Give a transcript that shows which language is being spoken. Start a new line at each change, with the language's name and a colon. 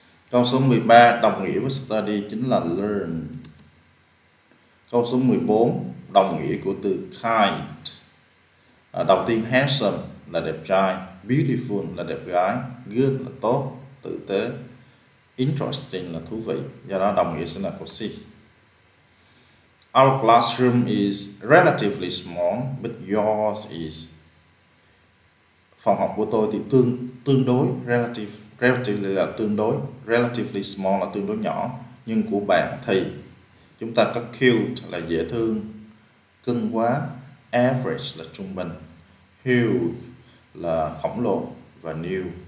Vietnamese: Câu số 13 đồng nghĩa với study chính là learn. Câu số 14 đồng nghĩa của từ kind. Đầu tiên handsome là đẹp trai, beautiful là đẹp gái, good là tốt, tử tế, interesting là thú vị. Do đó đồng nghĩa sẽ là câu C.
English: Our classroom is relatively small, but yours is.
Vietnamese: Phòng học của tôi thì tương đối, relatively small là tương đối nhỏ, nhưng của bạn thì chúng ta có cute là dễ thương, cưng quá, average là trung bình, huge là khổng lồ và new.